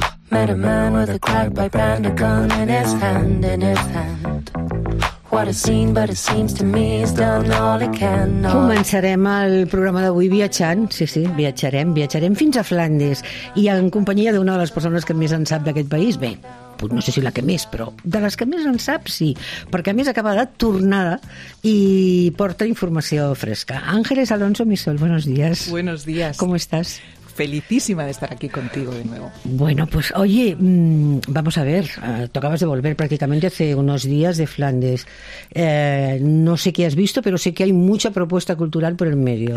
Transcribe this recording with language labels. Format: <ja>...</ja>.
<en>met a man with a crack pipe and a gun in his hand, in his hand. What a scene, but it seems to me he's done all he can.</en> <ca>Començarem el programa d'avui viatjant, sí, sí, viatjarem, viatjarem fins a Flandes i en companyia d'una de les persones que més en sap d'aquest país, bé, no sé si la que més, però de les que més en sap, sí, perquè a més acaba de tornar i porta informació fresca.</ca> <es>Ángeles Alonso Misol, buenos días. Buenos días. ¿Cómo estás? Felicísima de estar aquí contigo de nuevo. Bueno, pues oye, vamos a ver, tocabas de volver prácticamente hace unos días de Flandes. No sé qué has visto, pero sé que hay mucha propuesta cultural por el medio.</es>